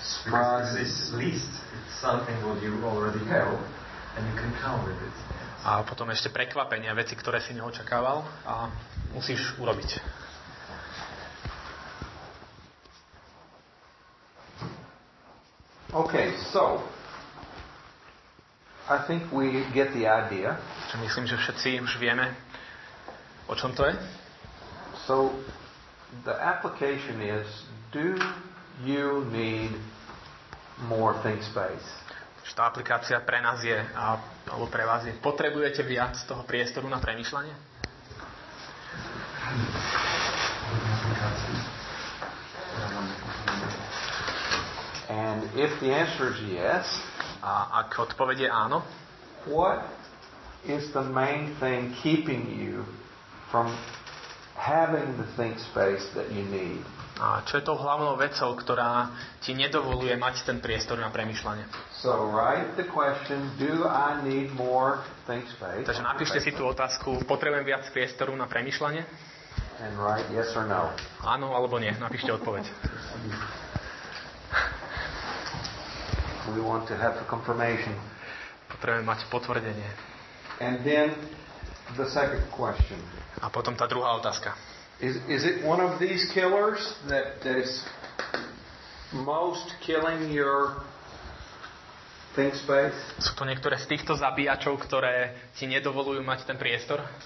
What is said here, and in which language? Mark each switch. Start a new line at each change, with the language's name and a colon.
English: Because this list is something what you already have and you can count with it.
Slovak: A potom ešte prekvapenia, veci, ktoré si neočakával a musíš urobiť.
English: Okay, so I think we get the idea.
Slovak: Čo myslím, že všetci už vieme, o čom to je.
English: So the application is, do you need more think space?
Slovak: Čiže tá aplikácia pre nás je, alebo pre vás je, potrebujete viac toho priestoru na premýšľanie?
English: And if the answer is yes,
Slovak: a ak odpoveď je áno,
English: what is the main thing keeping you from having the think space that you need?
Slovak: A čo je tou hlavnou vecou, ktorá ti nedovoluje mať ten priestor na premýšľanie?
English: So write the question, do I need more think space?
Slovak: Takže napíšte si tú otázku, potrebujem viac priestoru na premýšľanie?
English: And write yes or no.
Slovak: Áno alebo nie, napíšte odpoveď.
English: We want to have a confirmation.
Slovak: Potrebujeme mať potvrdenie.
English: And then the second question.
Slovak: A potom tá druhá otázka.
English: Is it one of these killers that is most killing your think space?
Slovak: Sú to niektoré z týchto zabíjačov, ktoré ti nedovolujú mať ten priestor?